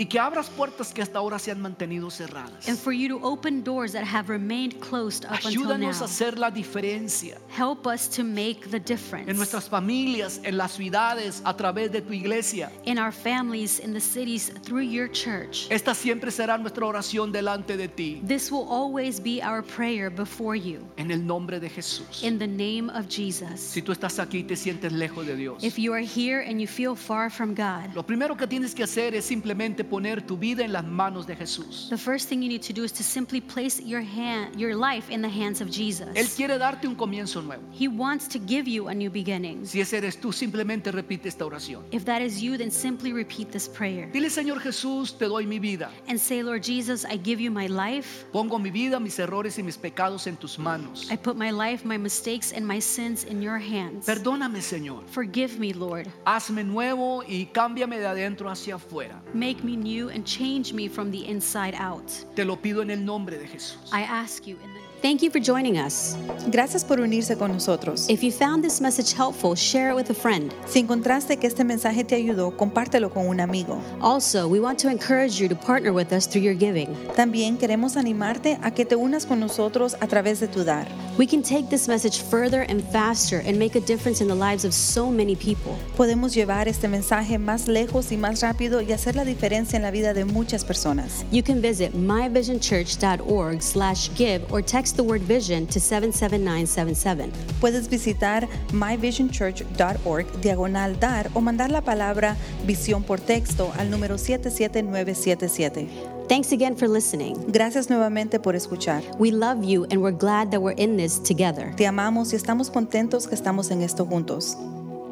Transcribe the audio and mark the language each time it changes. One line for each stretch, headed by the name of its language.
Spanish: Y que abras puertas que hasta ahora se han mantenido cerradas.
English: And for you to open doors that have remained closed up until now.
Spanish: Ayúdanos a hacer la diferencia.
English: Help us to make the difference.
Spanish: En nuestras familias, en las ciudades, a través de tu iglesia.
English: In our families, in the cities, through your church.
Spanish: Esta siempre será nuestra oración delante de ti.
English: This will always be our prayer before you.
Spanish: En el nombre de Jesús.
English: In the name of Jesus.
Spanish: Si tú estás aquí y te sientes lejos de Dios.
English: If you are here and you feel far from God.
Spanish: Lo primero que tienes que hacer es simplemente poner tu vida en las manos de Jesús.
English: The first thing you need to do is to simply place your life in the hands of Jesus.
Spanish: Él quiere darte un comienzo.
English: He wants to give you a new beginning.
Spanish: Si ese eres tú, simplemente repite esta oración.
English: If that is you, then simply repeat this prayer.
Spanish: Dile, Señor Jesús, te doy mi vida.
English: And say, Lord Jesus, I give you my life.
Spanish: Pongo mi vida, mis errores y mis pecados en tus manos.
English: I put my life, my mistakes, and my sins in your hands.
Spanish: Perdóname, Señor.
English: Forgive me, Lord.
Spanish: Hazme nuevo y cámbiame de adentro hacia afuera.
English: Make me new and change me from the inside out.
Spanish: Te lo pido en el nombre de Jesús.
English: I ask you in the Thank you for joining us.
Spanish: Gracias por unirse con nosotros.
English: If you found this message helpful, share it with a friend.
Spanish: Si encontraste que este mensaje te ayudó, compártelo con un amigo.
English: Also, we want to encourage you to partner with us through your giving.
Spanish: También queremos animarte a que te unas con nosotros a través de tu dar.
English: We can take this message further and faster and make a difference in the lives of so many people.
Spanish: Podemos llevar este mensaje más lejos y más rápido y hacer la diferencia en la vida de muchas personas.
English: You can visit myvisionchurch.org/give or text the word vision to 77977.
Spanish: Puedes visitar myvisionchurch.org/dar o mandar la palabra visión por texto al número 77977.
English: Thanks again for listening.
Spanish: Gracias nuevamente por escuchar.
English: We love you and we're glad that we're in this together.
Spanish: Te amamos y estamos contentos que estamos en esto juntos.